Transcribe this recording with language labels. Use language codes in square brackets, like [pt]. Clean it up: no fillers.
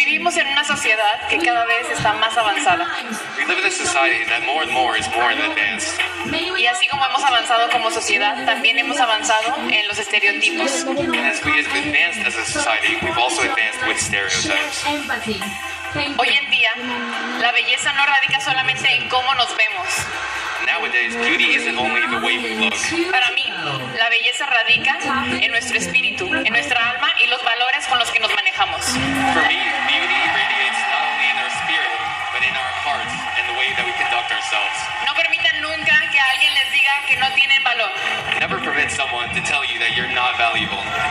[es] Vivimos en una sociedad que cada vez está más avanzada. [en] We live in a society that more and more is more advanced. [es] Y así como hemos avanzado como sociedad, también hemos avanzado en los estereotipos. [en] And as we have advanced as a society, we've also advanced with stereotypes. [es] Hoy en día, la belleza no radica solamente en cómo nos vemos. [en] Nowadays, beauty isn't only the way we look. [es] Para mí, la belleza radica en nuestro espíritu, en nuestra alma y los valores con los que nos manejamos. [en] For me, beauty radiates not only in our spirit, but in our hearts and the way that we conduct ourselves. [es] No permitan nunca que alguien les diga que no tienen valor. [en] Never permit someone to tell you that you're not valuable.